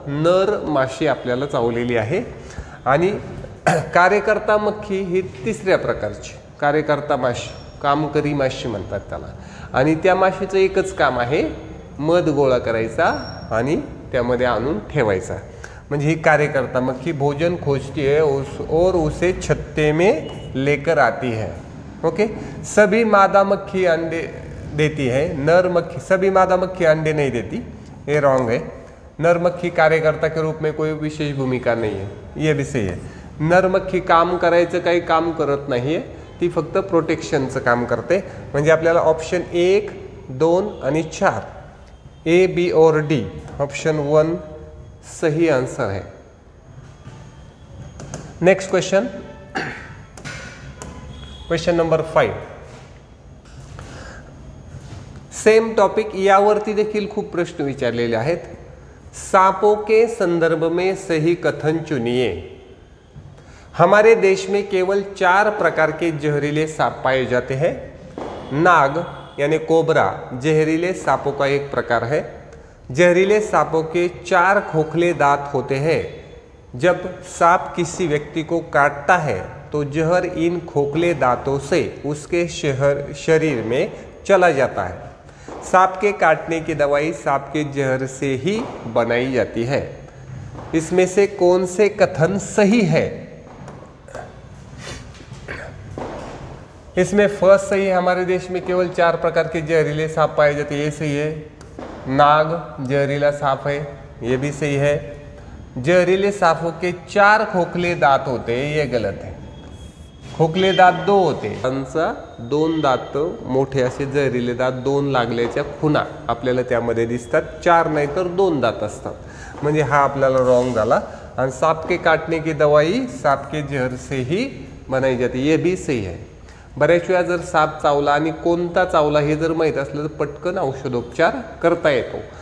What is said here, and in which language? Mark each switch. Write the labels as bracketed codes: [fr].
[mr] नरमाशी आपल्याला चावलेली आहे। आणि कार्यकर्ता मक्खी ही तिसऱ्या प्रकारची, कार्यकर्ता माशी, कामकरी माशी म्हणतात त्याला। आणि त्या माशीचं एकच काम आहे, मध गोळा करायचा आणि त्यामध्ये आणून ठेवायचा। म्हणजे ही [hi] कार्यकर्ता मक्खी भोजन खोजती आहे और उसे छत्ते में लेकर आती है। ओके, सभी मादा मक्खी अंडे देती है, नर मक्खी, सभी मादा मक्खी अंडे नहीं देती, ये रॉन्ग है। नर मक्खी कार्यकर्ता के रूप में कोई विशेष भूमिका नहीं है, ये भी सही है। [mr] नर मक्खी काम करायचं काही काम करत नाही आहे, ती फक्त प्रोटेक्शनचं काम करते। म्हणजे आपल्याला ऑप्शन 1, 2 आणि 4 A B or D, option 1 सही आन्सर आहे। Next question, question number 5, same topic, यावरती देखील खूप प्रश्न विचारलेले आहेत। [hi] सापो के संदर्भ में सही कथन चुनिए। हमारे देश में केवल 4 प्रकार के जहरीले सांप पाए जाते हैं। नाग यानी कोबरा जहरीले सांपों का एक प्रकार है। जहरीले सांपों के 4 खोखले दांत होते हैं। जब सांप किसी व्यक्ति को काटता है तो जहर इन खोखले दांतों से उसके शरीर में चला जाता है। सांप के काटने की दवाई सांप के जहर से ही बनाई जाती है। इसमें से कौन से कथन सही है? इसमें फर्स्ट सही है, हमारे देश में केवल 4 प्रकार के जहरीले सांप पाए जाते हैं, ये सही है। नाग जहरीला सांप है, ये भी सही है। जहरीले सांपों के 4 खोखले दांत होते हैं, ये गलत है। खोखले दांत 2 होते हैं, [mr] कंसा 2 दांत मोठे असे जहरीले दांत 2 लागल्याच्या खुणा आपल्याला त्यामध्ये दिसतात, 4 नाही तर 2 दांत असतात। म्हणजे हा आपल्याला रॉंग झाला। [hi] आणि सांप के काटने की दवाई सांप के जहर से ही बनाई जाते, ये भी सही है। [mr] बऱ्याच वेळा जर साप चावला आणि कोणता चावला हे जर माहीत असलं तर पटकन औषधोपचार करता येतो।